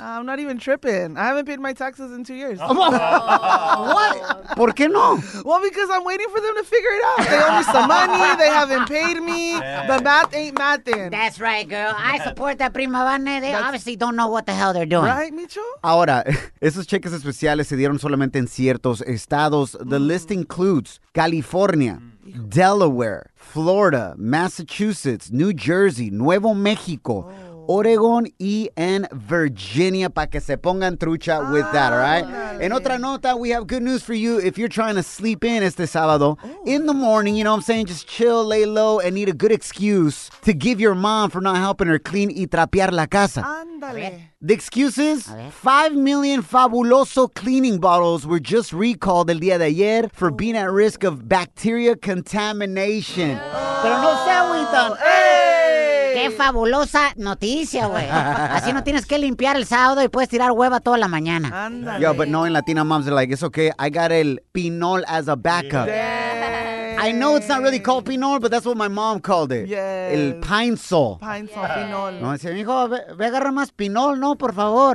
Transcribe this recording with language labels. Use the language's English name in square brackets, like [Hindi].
[English] I'm not even tripping. I haven't paid my taxes in 2 years. What? [Spanish] ¿Por qué no? [English] Well, because I'm waiting for them to figure it out. They owe me some money. They haven't paid me. The math ain't mathing. That's right, girl. I support that, Prima Vane. That's obviously don't know what the hell they're doing. Right, Micho? [Spanish] Ahora, esos cheques especiales se dieron solamente en ciertos estados. [English] The list includes California, Delaware, Florida, Massachusetts, New Jersey, Nuevo México, Oregon, and Virginia. [Spanish] Pa' que se pongan trucha [English] with that, all right? [Spanish] Dale. En otra nota, [English] we have good news for you if you're trying to sleep in [Spanish] este sábado. [English] Ooh. In the morning, you know what I'm saying? Just chill, lay low, and need a good excuse to give your mom for not helping her clean [Spanish] y trapear la casa. Andale. [English] The excuse is 5 million Fabuloso cleaning bottles were just recalled [Spanish] el día de ayer [English] for being at risk of bacteria contamination. [Spanish] Oh. Pero no se agüitan. ¡Hey! ¡Qué fabulosa noticia, güey! Así no tienes que limpiar el sábado y puedes tirar hueva toda la mañana. Andale. [English] Yo, but knowing Latina moms are like, it's okay, I got el pinol as a backup. Yeah. I know it's not really called pinol, but that's what my mom called it. Yes. [Spanish] El pine sol. [English] Pine sol, yeah. Pinol. [Spanish] No, dice, hijo, ve a agarrar más pinol, no, por favor.